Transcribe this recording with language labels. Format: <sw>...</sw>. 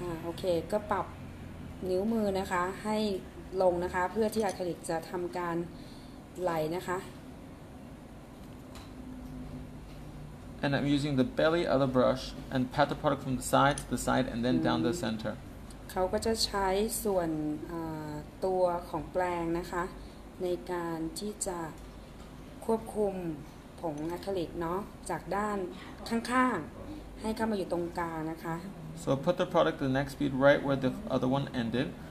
<th>Okay, ก็ปรับนิ้วมือนะคะให้ลงนะคะเพื่อที่อะคริลิกจะทำการไหลนะคะ</th> <en>And I'm using the belly of the brush and pat the product from the side to the side and then down the center.</en> <th>เขาก็จะใช้ส่วนตัวของแปรงนะคะในการที่จะควบคุมผงอะคริลิกเนาะจากด้านข้างๆให้เข้ามาอยู่ตรงกลางนะคะ</th> <en>So put the product to the next bead right where the other one ended.</en>